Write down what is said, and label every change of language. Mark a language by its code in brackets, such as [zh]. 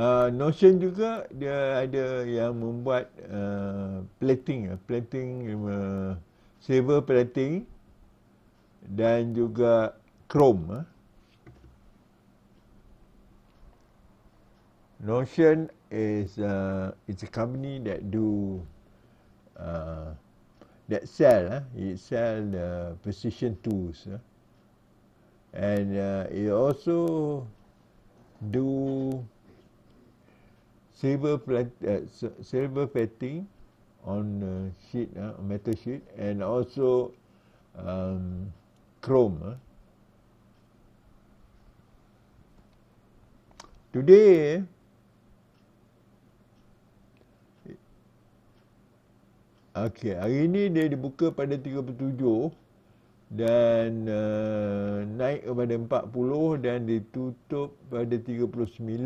[ms] Notion juga dia ada yang membuat plating, plating, silver plating dan juga chrome. [en] Notion is it's a company that do that sell, it sell the precision tools, and it also do silver silver plating on sheet, metal sheet, and also chrome. Today, okay, [ms] hari ini dia dibuka pada 37 dan naik kepada 40 dan ditutup pada 39.